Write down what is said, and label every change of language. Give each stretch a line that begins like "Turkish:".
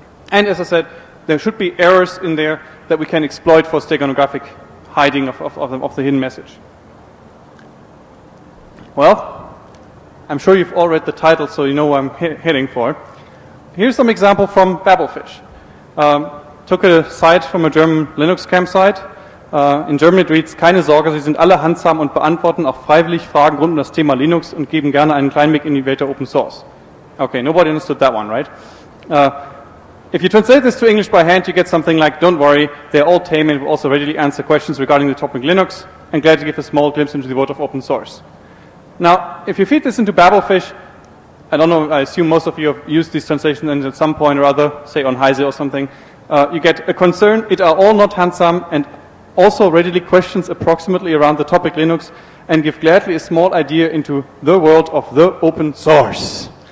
English: And as I said, there should be errors in there that we can exploit for steganographic hiding of the hidden message. Well, I'm sure you've all read the title, so you know what I'm heading for. Here's some example from Babelfish. took a site from a German Linux campsite. In German it reads,
German: keine Sorge, Sie sind alle handsam und beantworten auch freiwillig Fragen rund um das Thema Linux und geben gerne einen kleinen Blick in die Welt der Open Source.
English: Okay, nobody understood that one, right? If you translate this to English by hand, you get something like, don't worry, they're all tame and will also readily answer questions regarding the topic Linux and glad to give a small glimpse into the world of open source. Now, if you feed this into Babelfish, I don't know, I assume most of you have used these translations at some point or other, say on Heise or something, you get a concern, it are all not handsome and also readily questions approximately around the topic Linux and give gladly a small idea into the world of the open source.